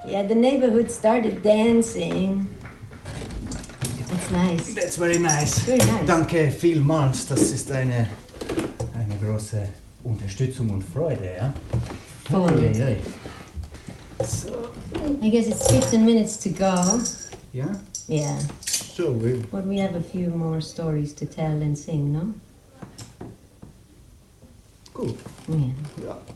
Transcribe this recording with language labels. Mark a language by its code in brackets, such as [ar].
[en] The neighborhood started dancing. It's nice. That's very nice. Very nice. [de] Danke vielmals. Das ist eine große Unterstützung und Freude, ja? Voll. Hey, hey. [en] So. I guess it's 15 minutes to go. Yeah? Yeah. So but we have a few more stories to tell and sing, no? Cool. Yeah. Yeah.